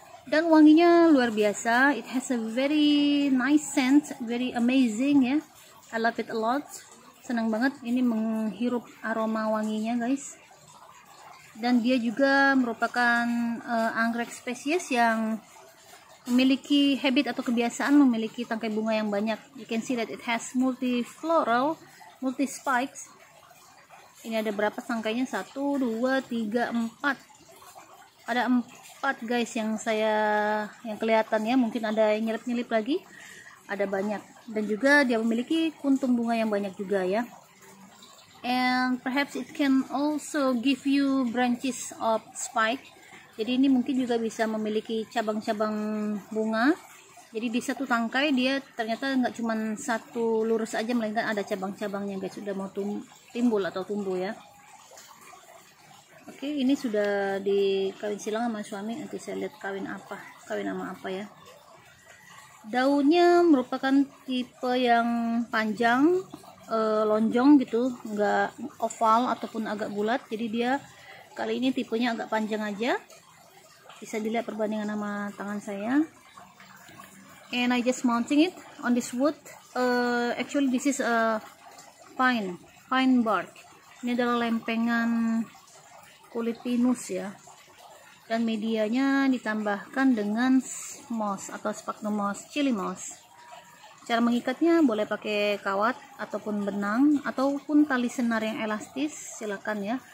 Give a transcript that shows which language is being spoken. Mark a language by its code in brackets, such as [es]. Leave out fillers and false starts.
[id] Dan wanginya luar biasa. [en] It has a very nice scent, very amazing ya. I love it a lot. [id] Senang banget ini menghirup aroma wanginya guys. Dan dia juga merupakan anggrek spesies yang memiliki habit atau kebiasaan memiliki tangkai bunga yang banyak. [en] You can see that it has multifloral, multi spikes. [id] Ini ada berapa tangkainya? 1, 2, 3, 4. Ada 4 guys yang kelihatan ya, mungkin ada yang nyelip-nyelip lagi. Ada banyak, dan juga dia memiliki kuntum bunga yang banyak juga ya. [en] And perhaps it can also give you branches of spike. [id] Jadi ini mungkin juga bisa memiliki cabang-cabang bunga. Jadi di satu tangkai dia ternyata nggak cuma satu lurus aja, melainkan ada cabang-cabangnya guys, sudah mau timbul atau tumbuh ya. Oke, ini sudah dikawin silang sama suami, nanti saya lihat kawin sama apa ya. Daunnya merupakan tipe yang panjang, lonjong gitu, nggak oval ataupun agak bulat. Jadi dia kali ini tipenya agak panjang aja, bisa dilihat perbandingan sama tangan saya. [en] And I just mounting it on this wood. Actually this is a pine bark. [id] Ini adalah lempengan kulit pinus ya. Dan medianya ditambahkan dengan moss atau sphagnum moss, chili moss. Cara mengikatnya boleh pakai kawat ataupun benang ataupun tali senar yang elastis, silakan ya.